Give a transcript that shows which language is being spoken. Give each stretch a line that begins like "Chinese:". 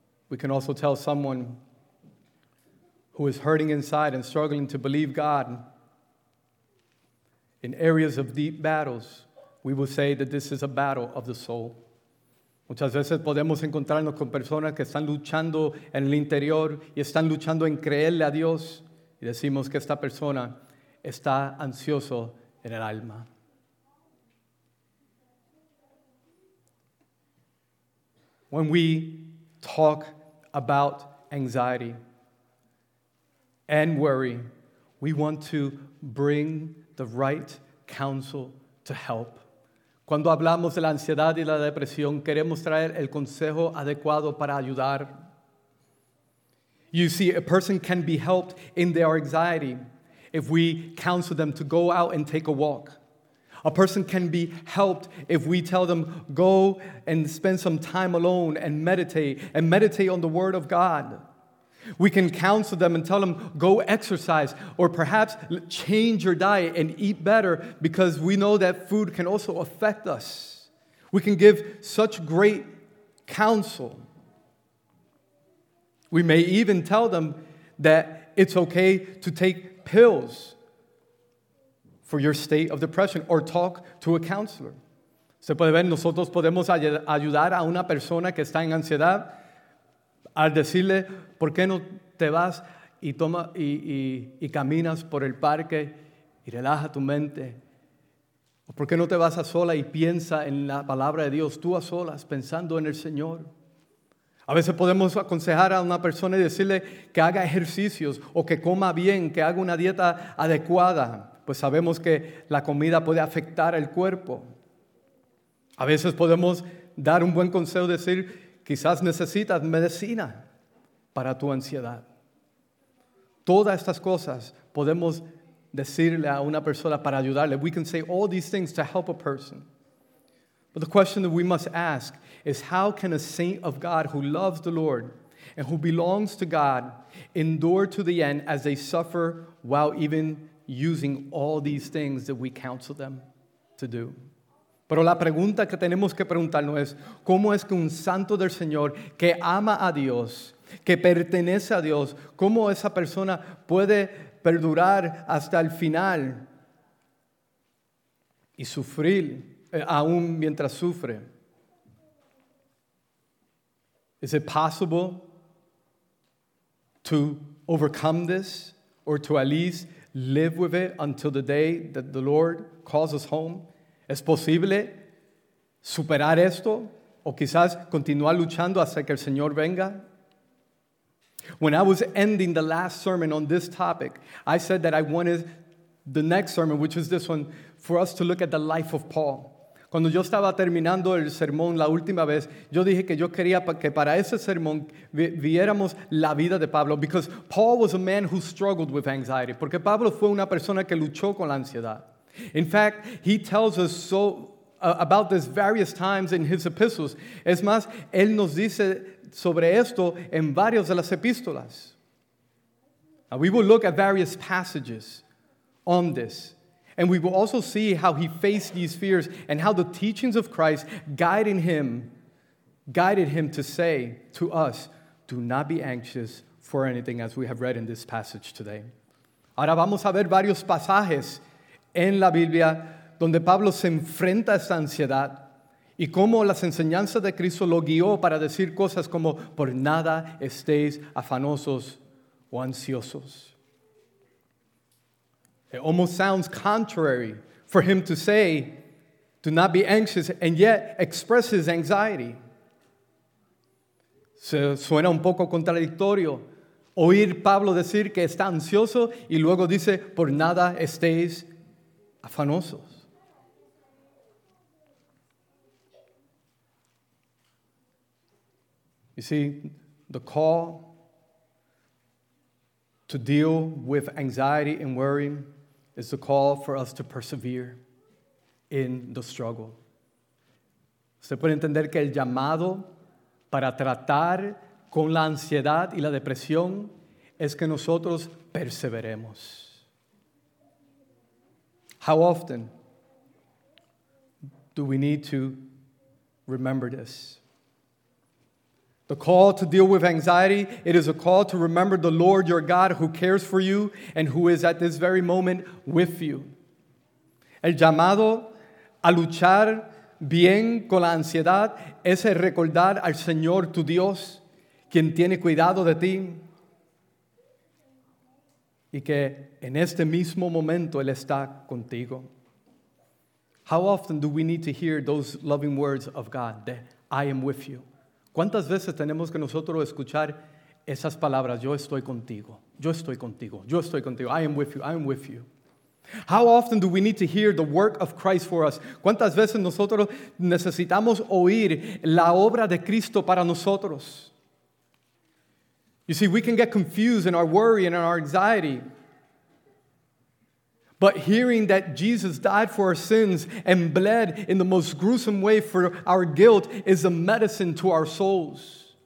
English: We can also tell someone who is hurting inside and struggling to believe God in areas of deep battles, we will say that this is a battle of the soul.
Spanish: Muchas veces podemos encontrarnos con personas que están luchando en el interior y están luchando en creerle a Dios y decimos que esta persona está ansioso en el alma.
English: When we talk about anxiety and worry, we want to bring the right counsel to help.
Spanish: Cuando hablamos de la ansiedad y la depresión, queremos traer el consejo adecuado para ayudar.
English: You see, a person can be helped in their anxiety if we counsel them to go out and take a walk. A person can be helped if we tell them, go and spend some time alone and meditate on the word of God. We can counsel them and tell them, go exercise, or perhaps change your diet and eat better, because we know that food can also affect us. We can give such great counsel. We may even tell them that it's okay to take pills for your state of depression, or talk to a counselor.
Spanish: Se puede ver, nosotros podemos ayudar a una persona que está en ansiedad al decirle, ¿por qué no te vas y toma y caminas por el parque y relaja tu mente? ¿Por qué no te vas a sola y piensa en la palabra de Dios, tú a solas, pensando en el Señor? A veces podemos aconsejar a una persona y decirle que haga ejercicios o que coma bien, que haga una dieta adecuada, pues sabemos que la comida puede afectar el cuerpo. A veces podemos dar un buen consejo, decir, quizás necesitas medicina para tu ansiedad. Todas estas cosas podemos decirle a una persona para ayudarle.
English: We can say all these things to help a person. But the question that we must ask is, how can a saint of God who loves the Lord and who belongs to God endure to the end as they suffer while even using all these things that we counsel them to do?
Spanish: Pero la pregunta que tenemos que preguntarnos es, ¿cómo es que un santo del Señor que ama a Dios, que pertenece a Dios, cómo esa persona puede perdurar hasta el final y sufrir aún mientras sufre?
English: Is it possible to overcome this or to at least live with it until the day that the Lord calls us home?
Spanish: ¿Es posible superar esto o quizás continuar luchando hasta que el Señor venga?
English: When I was ending the last sermon on this topic, I said that I wanted the next sermon, which is this one, for us to look at the life of Paul.
Spanish: Cuando yo estaba terminando el sermón la última vez, yo dije que yo quería que para ese sermón viéramos la vida de Pablo,
English: because Paul was a man who struggled with anxiety.
Spanish: Porque Pablo fue una persona que luchó con la ansiedad.
English: In fact, he tells us so about this various times in his epistles.
Spanish: Es más, él nos dice sobre esto en varios de las epístolas.
English: Now, we will look at various passages on this. And we will also see how he faced these fears and how the teachings of Christ guided him to say to us, do not be anxious for anything, as we have read in this passage today.
Spanish: Ahora vamos a ver varios pasajes en la Biblia donde Pablo se enfrenta a esta ansiedad Y cómo las enseñanzas de Cristo lo guió para decir cosas como, por nada estéis afanosos o ansiosos.
English: It almost sounds contrary for him to say, do not be anxious, and yet expresses anxiety.
Spanish: Se suena un poco contradictorio oír Pablo decir que está ansioso y luego dice, por nada estéis afanosos.
English: You see, the call to deal with anxiety and worry is the call for us to persevere in the struggle.
Spanish: Se puede entender que el llamado para tratar con la ansiedad y la depresión es que nosotros perseveremos.
English: How often do we need to remember this? The call to deal with anxiety, it is a call to remember the Lord your God who cares for you and who is at this very moment with you.
Spanish: El llamado a luchar bien con la ansiedad es el recordar al Señor tu Dios, quien tiene cuidado de ti, y que en este mismo momento Él está contigo.
English: How often do we need to hear those loving words of God, that I am with you?
Spanish: ¿Cuántas veces tenemos que nosotros escuchar esas palabras? Yo estoy contigo, yo estoy contigo, yo estoy contigo.
English: I am with you, I am with you. How often do we need to hear the work of Christ for us?
Spanish: ¿Cuántas veces nosotros necesitamos oír la obra de Cristo para nosotros?
English: You see, we can get confused in our worry and in our anxiety. But hearing that Jesus died for our sins and bled in the most gruesome way for our guilt is a medicine to our souls.